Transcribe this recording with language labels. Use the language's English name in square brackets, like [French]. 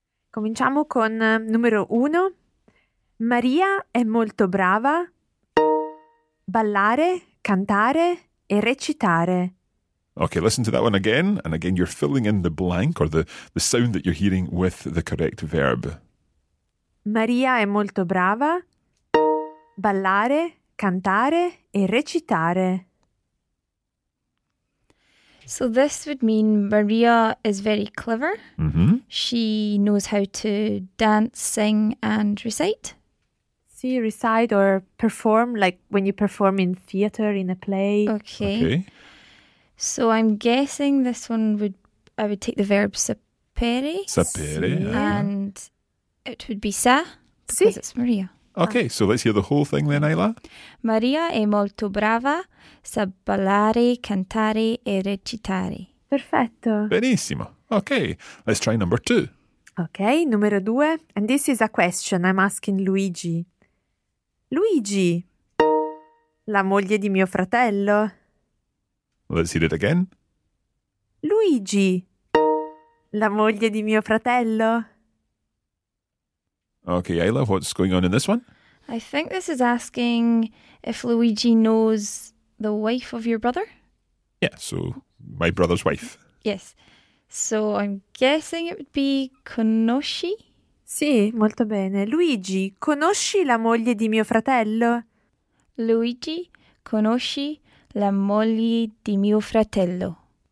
[Italian] Cominciamo con numero uno. Maria è molto brava. Ballare, cantare e recitare. [English] Okay, listen to that one again. And again, you're filling in the blank or the sound that you're hearing with the correct verb. [Italian] Maria è molto brava. Ballare, cantare e recitare. [English] So this would mean Maria is very clever. Mm-hmm. She knows how to dance, sing and recite. See, recite or perform, like when you perform in theatre, in a play. Okay. So I'm guessing this one would, I would take the verb sapere. [Italian] Sapere. [English] And it would be sa, because si. It's Maria. Okay, so let's hear the whole thing then, Ayla. [Italian] Maria è molto brava, sa ballare, cantare e recitare. Perfetto. Benissimo. [English] Okay, let's try number two. [Italian] Okay, numero due. [English] And this is a question I'm asking Luigi. [Italian] Luigi, la moglie di mio fratello. [English] Let's hear it again. Luigi, la moglie di mio fratello. Okay, Ayla, what's going on in this one? I think this is asking if Luigi knows the wife of your brother. Yeah, so my brother's wife. Yes. So I'm guessing it would be conosci? [Italian] Sì, molto bene. Luigi, conosci la moglie di mio fratello? Luigi, conosci la moglie di mio fratello.